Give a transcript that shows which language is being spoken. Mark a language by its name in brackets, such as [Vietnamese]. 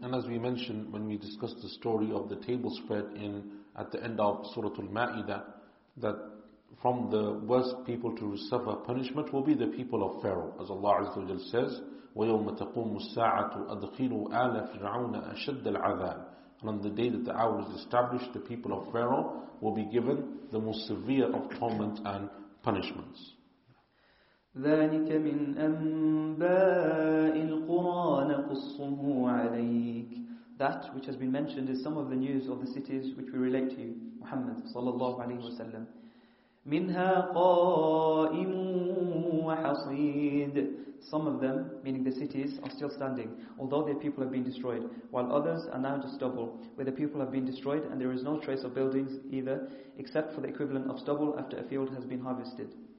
[English] And as we mentioned when we discussed the story of the table spread in at the end of Surah Al-Ma'idah, that from the worst people to suffer punishment will be the people of Pharaoh. As Allah Azza wa Jal says, [Arabic] وَيَوْمَ تَقُومُ السَّاعَةُ أَدْخِلُوا آلَ فِرْعَوْنَ أَشَدَّ الْعَذَابِ. [English] And on the day that the hour is established, the people of Pharaoh will be given the most severe of torment and punishments. [Arabic] ذلك من أنباء القرى نقصه عليك. [English] That which has been mentioned is some of the news of the cities which we relate to you, Muhammad [Arabic] صلى الله عليه وسلم. منها قائم وحصيد. [English] Some of them, meaning the cities, are still standing, although their people have been destroyed, while others are now just stubble, where the people have been destroyed and there is no trace of buildings either, except for the equivalent of stubble after a field has been harvested.